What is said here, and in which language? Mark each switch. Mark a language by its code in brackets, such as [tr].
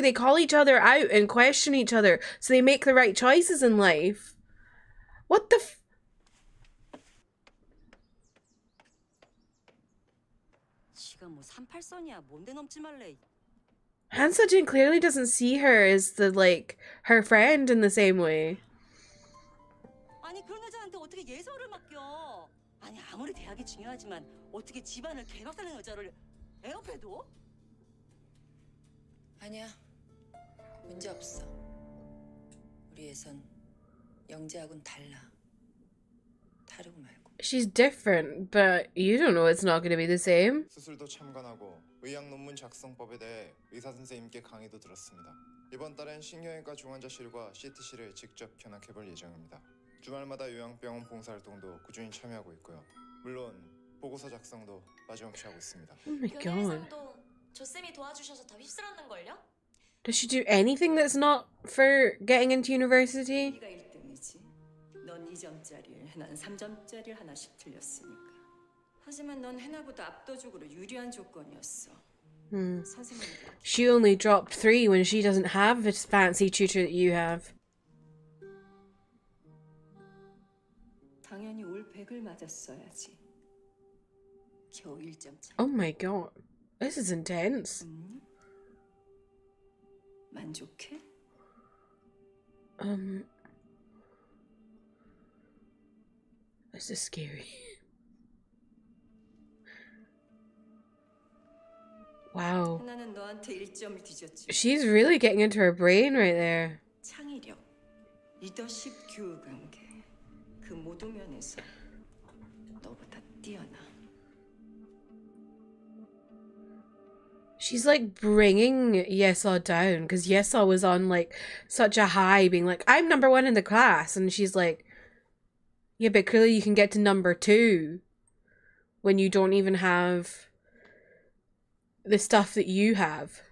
[en] They call each other out and question each other so they make the right choices in life. What the f- Han Seo-jin clearly doesn't see her as the like her friend in the same way. [ko] 아니 그런 여자한테 어떻게 예서를 맡겨? 아니 아무리 대학이 중요하지만 어떻게 집안을 개박살낸 여자를 애옆에 둬? 아니야 문제 없어. 우리 예선 영재하고는 달라. 다르고 말고. [en] She's different, but you don't know it's not going to be the same. [ko] 수술도 참관하고 의학 논문 작성법에 대해 의사 선생님께 강의도 들었습니다. 이번 달엔 신경외과 중환자실과 CT실을 직접 견학해 볼 예정입니다. 주말마다 요양병원 봉사활동도 꾸준히 참여하고 있고요. 물론 보고서 작성도 빠짐없이 하고 있습니다. [en] Oh my god. [ko] 조쌤이 도와주셔서 더 휩쓸었는걸요? [en] Does she do anything that's not for getting into university? [ko] 네가 1등이지. 넌 2점짜리를, 난 3점짜리를 하나씩 틀렸으니까. 하지만 넌 해나보다 압도적으로 유리한 조건이었어. [en] She only dropped 3 when she doesn't have this fancy tutor that you have. [ko] 당연히 올 100을 맞았어야지. 겨우 1점짜리. [en] Oh my god. This is intense. [ko] 만족해? [en] This is scary. Wow. [ko] 나는 너한테 1점을 뒤졌지. [en] She's really getting into her brain right there. [ko] 창의력, 리더십 교육 관계. 그 모든 면에서 너보다 뛰어나. [en] She's like bringing Yesa down because Yesa was on like such a high being like, I'm number one in the class. And she's like, yeah, but clearly you can get to number two when you don't even have the stuff that you have.